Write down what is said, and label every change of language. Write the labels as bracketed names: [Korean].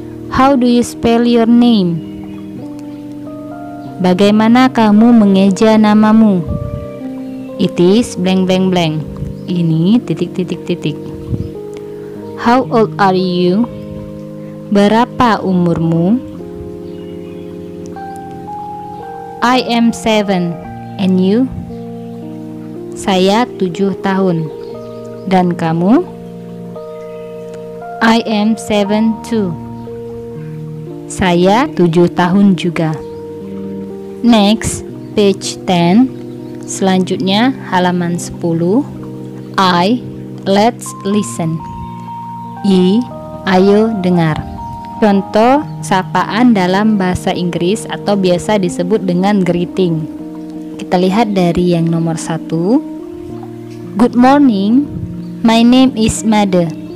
[English] How do you spell your name? [Indonesian] Bagaimana kamu mengeja namamu? [English] It is blank blank blank. [Indonesian] Ini titik titik titik. [English] How old are you? [Indonesian] Berapa umurmu? [English] I am 7. And you? [Indonesian] Saya 7 tahun. Dan kamu? [English] I am 7 too. [Indonesian] Saya 7 tahun juga. [English] Next, page 10. [Indonesian] Selanjutnya, halaman 10. [English] I, let's listen. I, [Indonesian] ayo dengar. Contoh sapaan dalam bahasa Inggris atau biasa disebut dengan greeting. Kita lihat dari yang nomor 1. [English] Good morning, my name is Made.